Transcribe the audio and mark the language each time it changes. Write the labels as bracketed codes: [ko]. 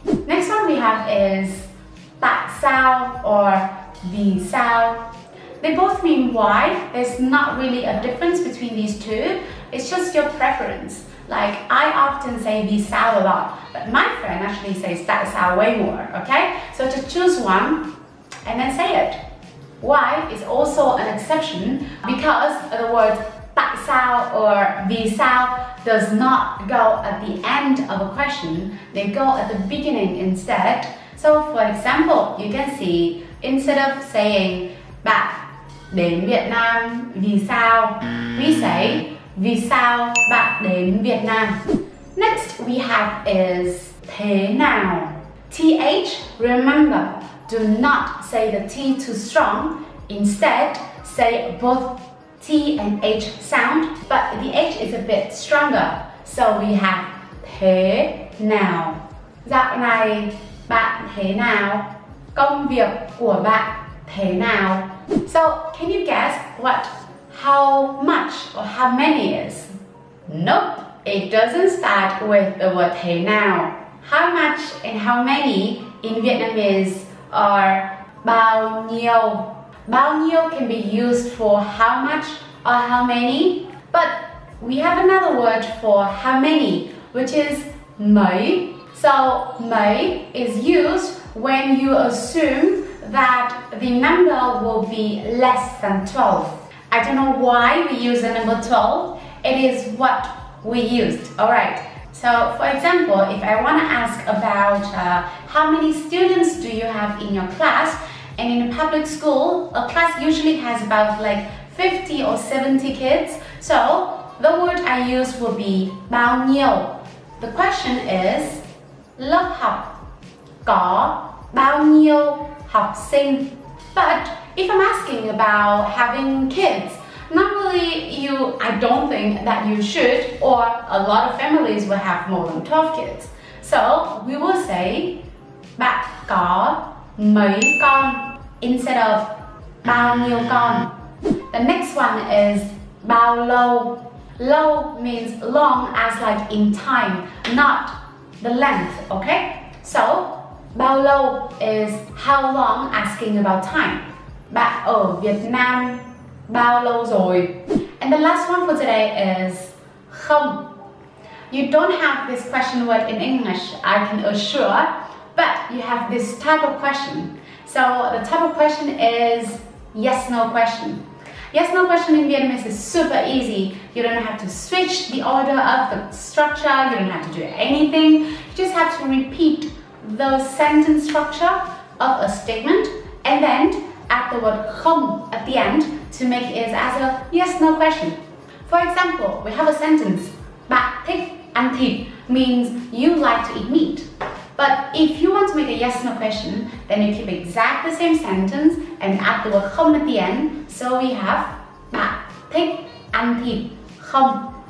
[en] Next one we have is tại sao or vì sao? They both mean why. There's not really a difference between these two. It's just your preference. Like, I often say vì sao a lot, but my friend actually says tại sao way more, okay? So to choose one and then say it. Why is also an exception because the word tại sao or vì sao does not go at the end of a question. They go at the beginning instead. So for example, you can see instead of saying [vi] bạn đến Việt Nam vì sao, [en] we say [vi] vì sao bạn đến Việt Nam? [en] Next we have is thế nào? TH, remember, do not say the T too strong. Instead, say both T and H sound, but the H is a bit stronger. So we have [vi] thế nào? Dạo này bạn thế nào? Công việc của bạn thế nào? [en] So can you guess what how much or how many is? Nope, it doesn't start with the word thế nào. How much and how many in Vietnamese are bao nhiêu? Bao nhiêu can be used for how much or how many, but we have another word for how many, which is mấy. So mấy is used when you assume that the number will be less than 12. I don't know why we use the number 12. It is what we used. All right. So for example, if I want to ask about how many students do you have in your class, and in a public school, a class usually has about like 50 or 70 kids. So the word I use will be bao nhiêu. The question is, [vi] lớp học có bao nhiêu học sinh? [en] But if I'm asking about having kids, normally I don't think that you should, or a lot of families will have more than 12 kids. So we will say, [vi] bạn có mấy con [en] instead of [vi] bao nhiêu con. [en] The next one is bao lâu. Lâu means long, as like in time, not the length, okay? So bao lâu is how long, asking about time. [vi] Bạn ở Việt Nam bao lâu rồi? [en] And the last one for today is không. You don't have this question word in English, I can assure, but you have this type of question. So the type of question is yes, no question. Yes, no question in Vietnamese is super easy. You don't have to switch the order of the structure. You don't have to do anything. You just have to repeat the sentence structure of a statement and then add the word không at the end to make it as a yes, no question. For example, we have a sentence, [vi] bạn thích ăn thịt, [en] means you like to eat meat. But if you want to make a yes, no question, then you keep exactly the same sentence and add the word không at the end. So we have [vi] bạn thích ăn thịt không.